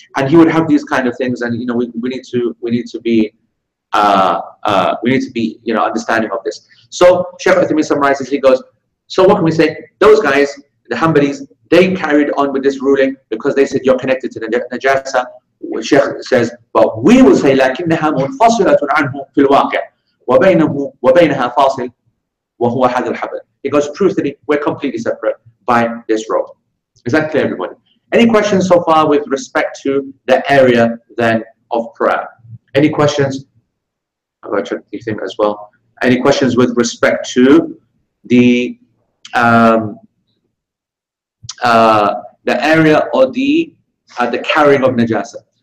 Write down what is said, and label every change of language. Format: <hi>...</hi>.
<en>And he would have these kind of things, and you know we need to be you know understanding of this. So Sheikh Uthaymeen summarizes. He goes, so what can we say? Those guys, the Hanbalis, they carried on with this ruling because they said you're connected to the najasa. Sheikh says, but we will say</en> <ar>لكنها منفصلة عنه في الواقع وبينه وبينها فاصل وهو هذا الحبل.</ar> <en>He goes, truthfully, we're completely separate by this rope. Is that clear, everybody? Any questions so far with respect to the area then of prayer? Any questions? I've got to check the thing as well. Any questions with respect to the area or the carrying of najasa?</en>